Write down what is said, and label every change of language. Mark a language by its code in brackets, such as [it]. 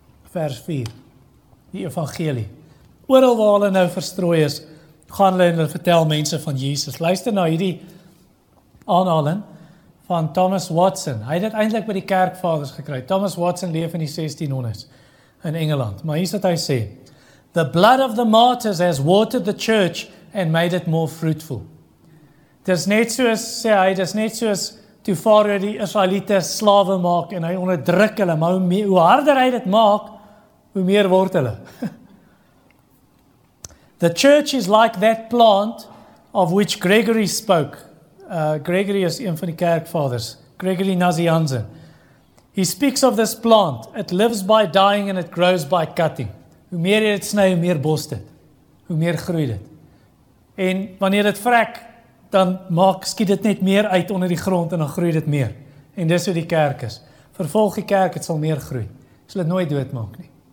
[af] Vers 4. Die evangelie. Oral waar hulle nou verstrooi is, gaan hulle en hulle vertel mense van Jesus. Luister na hierdie aanhaling van Thomas Watson. Hy het dit eintlik by die kerkvaders gekry. Thomas Watson leef in die 1600s in Engeland. Maar hier is wat hy sê. [en] The blood of the martyrs has watered the church and made it more fruitful. [af] Dis net soos, sê hy, dis net soos toe Farao die Israeliete slawe maak en hy onderdruk hulle. Maar hoe harder hy dit maak, hoe meer word hulle. [en] The church is like that plant of which Gregory spoke. [af] Gregory is een van die kerkvaders. [en] Gregory Nazianzen. He speaks of this plant. It lives by dying and it grows by cutting. [af] Hoe meer jy dit sny, hoe meer bos dit. Hoe meer groei dit. En wanneer dit vrek, dan skiet dit net meer uit onder die grond en dan groei dit meer. En dis hoe die kerk is. Vervolg die kerk, het sal meer groei. Het sal dit nooit doodmaak nie.